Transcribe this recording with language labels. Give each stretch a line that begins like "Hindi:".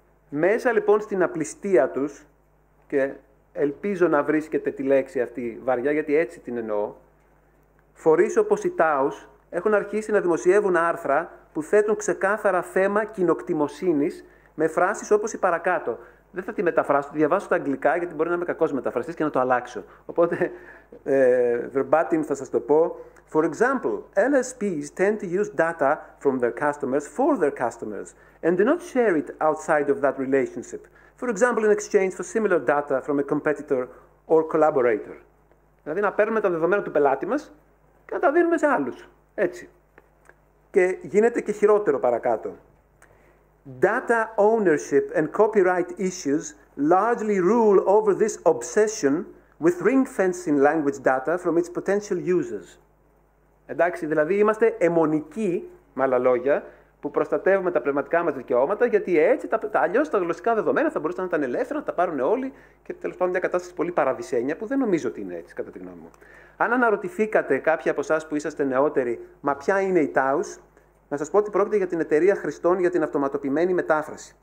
Greek: Μέσα λοιπόν στην απληστία τους, και ελπίζω να βρίσκεται τη λέξη αυτή βαριά, γιατί έτσι την εννοώ, φορείς όπως η TAOS έχουν αρχίσει να δημοσιεύουν άρθρα που θέτουν ξεκάθαρα θέμα κοινοκτημοσύνης με φράσεις όπως η παρακάτω. Δεν θα τη μεταφράσω, τη διαβάσω στα αγγλικά, γιατί μπορεί να είμαι κακός μεταφραστής και να το αλλάξω. Οπότε, verbatim θα σας το πω.
English: For example, LSPs tend to use data from their customers for their customers and do not share it outside of that relationship. For example, in exchange for similar data from a competitor or collaborator.
Greek: Δηλαδή, να παίρνουμε τα δεδομένα του πελάτη μας και να τα δίνουμε σε άλλους. Έτσι. Και γίνεται και χειρότερο παρακάτω.
English: Data ownership and copyright issues largely rule over this obsession with ring-fencing language data from its potential users.
Greek: Εντάξει, δηλαδή είμαστε αιμονικοί, με άλλα λόγια, που προστατεύουμε τα πνευματικά μας δικαιώματα, γιατί έτσι αλλιώς τα γλωσσικά δεδομένα θα μπορούσαν να ήταν ελεύθερα, να τα πάρουν όλοι και τέλος πάντων μια κατάσταση πολύ παραδεισένια, που δεν νομίζω ότι είναι έτσι, κατά τη γνώμη μου. Αν αναρωτηθήκατε κάποιοι από εσάς που είσαστε νεότεροι, μα ποια είναι η TAOS, να σας πω ότι πρόκειται για την Εταιρεία Χρηστών για την Αυτοματοποιημένη Μετάφραση.